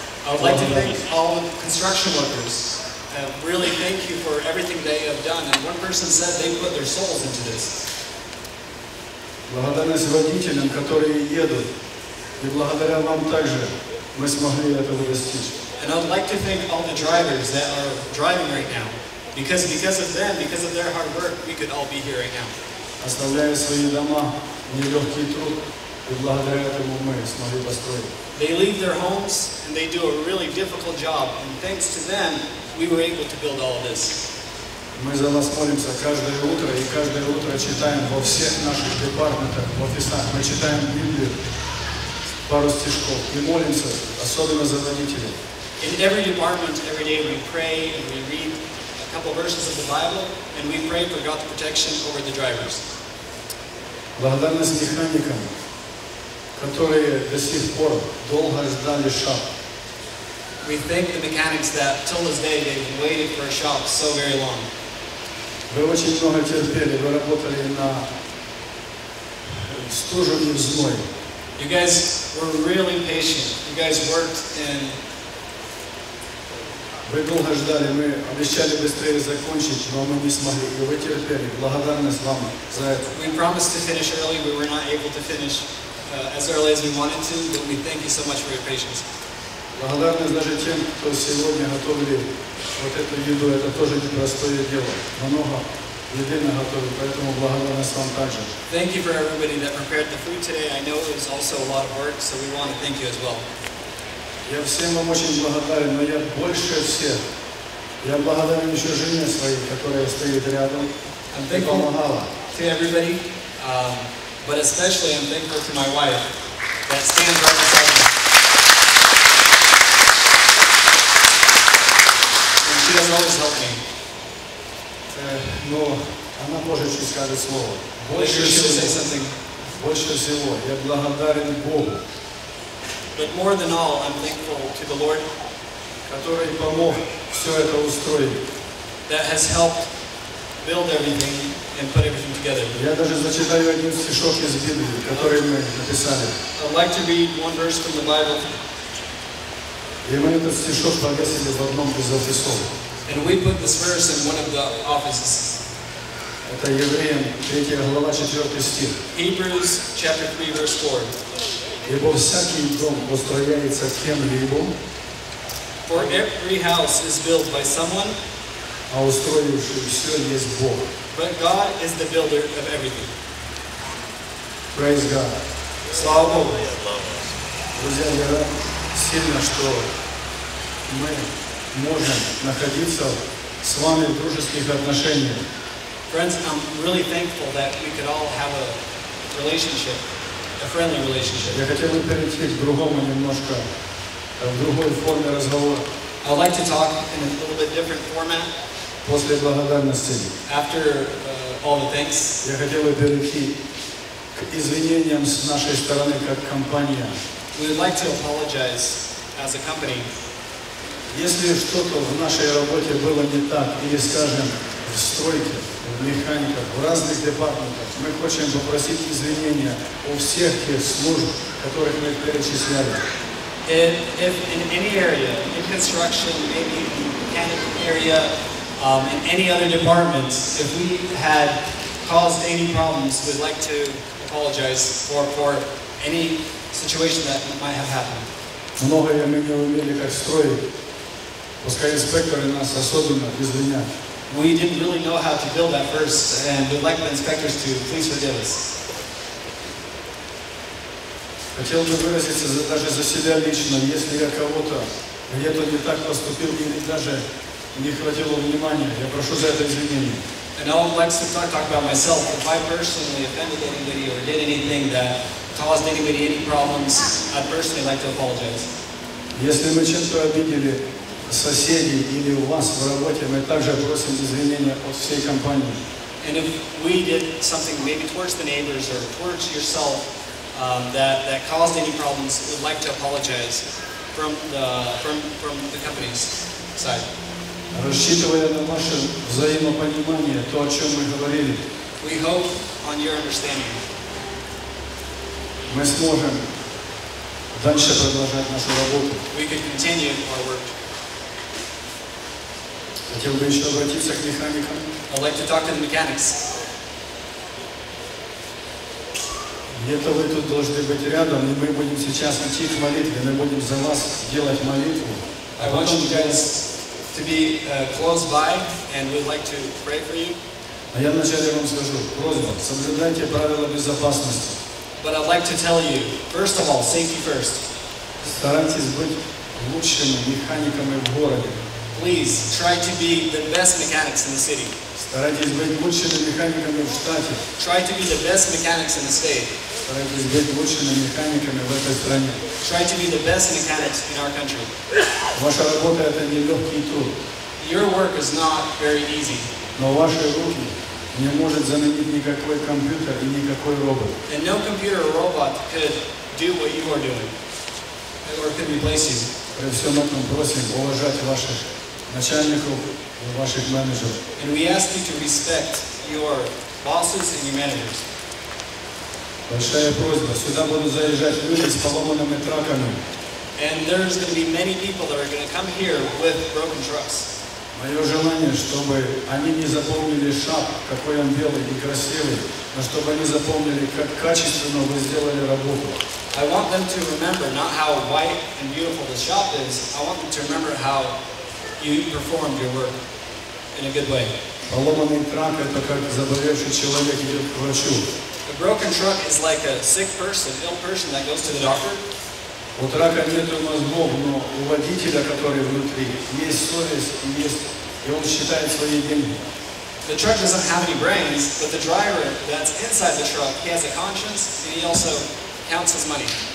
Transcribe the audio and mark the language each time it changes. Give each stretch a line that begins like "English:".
English: I'd like to thank all the construction workers. Really thank you for everything that you have done. And one person said they put their souls into this.
Russian: Благодарность водителям, которые едут. И благодаря вам также мы смогли этого достичь.
English: And I'd like to thank all the drivers that are driving right now. Because of them, because of their hard work, we could all be here right now.
Russian: Оставляя свои дома, нелегкий труд, и благодаря этому мы смогли построить.
English: They leave their homes and they do a really difficult job. And thanks to them, we were able to build all of this.
Russian: Мы за вас молимся каждое утро, и каждое утро читаем во всех наших департаментах, в офисах. Мы читаем Библию, пару стишков, и молимся, особенно за водителей.
English: In every department, every day, we pray and we read a couple verses of the Bible, and we pray for God's protection over the drivers.
Russian: Благодарность механикам, которые до сих пор долго ждали шаг.
English: We thank the mechanics that till this day they've waited for a shop so very long.
Russian: Вы очень много терпели, вы работали на стужу зимой.
English: You guys were really patient. You guys worked in...
Russian: Вы долго ждали, мы обещали быстрее закончить, но мы не смогли. И вы терпели. Благодарность вам за это.
English: We promised to finish early, but we're not able to finish as early as we wanted to, but we thank you so much for your patience.
Russian: Благодарность даже тем, кто сегодня готовили вот эту еду, это тоже непростое дело. Много еды мы готовили, поэтому благодарность вам также.
English: Thank you for everybody that prepared the food today. I know it was also a lot of work, so we want to thank you as well.
Russian: Я всем вам очень благодарен, но я больше всех. Я благодарен еще жене своей, которая стоит рядом и помогала.
English: To everybody, but especially I'm thankful to my wife that stands right beside me. And she has always helped me.
Russian: Но она позже чуть скажет слово. Больше всего,
English: say something.
Russian: Больше всего я благодарен Богу.
English: But more than all, I'm thankful to the Lord,
Russian: который помог все это устроить,
English: that has helped build everything and put everything together.
Russian: Я даже зачитаю один стишок из Библии, который мы написали.
English: I'd like to read one verse from the Bible.
Russian: И мы этот стишок повесили в одном из офисов.
English: And we put this verse in one of the offices.
Russian: Это Евреям 3 глава 4 стих.
English: Hebrews chapter 3 verse 4.
Russian: Ибо всякий дом построяется кем-либо.
English: For every house is built by someone.
Russian: А устроивший все есть Бог.
English: But God is the builder of everything. Praise God.
Russian: Слава Богу. Друзья, я рад сильно, что мы можем находиться с вами в дружеских отношениях.
English: Friends, I'm really thankful that we could all have a relationship. A friendly relationship.
Russian: Я хотел бы перейти к другому немножко, в другой форме разговора.
English: I'd like to talk in a little bit different format.
Russian: После благодарности.
English: After all the thanks.
Russian: Я хотел бы перейти к извинениям с нашей стороны как компания.
English: We'd like to apologize as a company.
Russian: Если что-то в нашей работе было не так, или скажем, в стройке, в механиках, в разных департаментах. Мы хотим попросить извинения у всех тех служб, которых мы перечисляли.
English: If in any area, in construction, maybe in mechanical area, in any other department, if we had caused any problems, we'd like to apologize for any situation that might have happened.
Russian: Многое мы не умели как строить, пускай инспекторы нас особенно извинят.
English: We didn't really know how to build at first, and we'd like the inspectors to please forgive us.
Russian: Хотел бы выразиться даже за себя лично, если я кого-то где-то не так поступил или даже не хватило внимания, я прошу за это извинения.
English: And I would like to talk about myself. If I personally offended anybody or did anything that caused anybody any problems, I'd personally like to apologize.
Russian: Если мы чем-то обидели соседей или у вас в работе, мы также просим извинения от всей компании.
English: And if we did something maybe towards the neighbors or towards yourself that caused any problems, we'd like to apologize from the company's side.
Russian: Рассчитывая на ваше взаимопонимание, то, о чем мы говорили,
English: we hope on your understanding.
Russian: Мы сможем дальше продолжать нашу работу.
English: We can continue our work.
Russian: Хотел бы еще обратиться к механикам.
English: I'd like to talk to the mechanics.
Russian: Где-то вы тут должны быть рядом, и мы будем сейчас идти к молитве, мы будем за вас делать молитву.
English: I want you guys to be close by, and we'd like to pray for you.
Russian: А я вначале вам скажу, просьба, соблюдайте правила безопасности.
English: But I'd like to tell you, first of all, safety first.
Russian: Старайтесь быть лучшими механиками в городе.
English: Please try to be the best mechanics in the city.
Russian: Старайтесь быть лучшими механиками в штате.
English: Try to be the best mechanics in the state.
Russian: Старайтесь быть лучшими механиками в этой стране.
English: Try to be the best mechanics in our country.
Russian: Ваша работа это не легкий труд.
English: Your work is not very easy.
Russian: Но ваши руки не может заменить никакой компьютер и никакой робот.
English: And no computer or robot could do what you are doing, or could replace you.
Russian: При всем этом просим уважать ваших начальников и ваших менеджеров.
English: And we ask you to respect your bosses and your managers.
Russian: Большая просьба. Сюда будут заезжать люди с поломанными траками.
English: And there's going to be many people that are going to come here with broken trucks.
Russian: Мое желание, чтобы они не запомнили шаг, какой он белый и красивый, но чтобы они запомнили, как качественно вы сделали работу.
English: I want them to remember not how white and beautiful the shop is, I want them to remember how you performed your work in a good way.
Russian: Поломанный трак – это как заболевший человек идет к врачу.
English: A broken truck is like a sick person, ill person that goes to the doctor.
Russian: У трака нет мозгов, но у водителя, который внутри, есть совесть, и он считает свои деньги.
English: The truck doesn't have any brains, but the driver that's inside the truck, he has a conscience, and he also counts his money.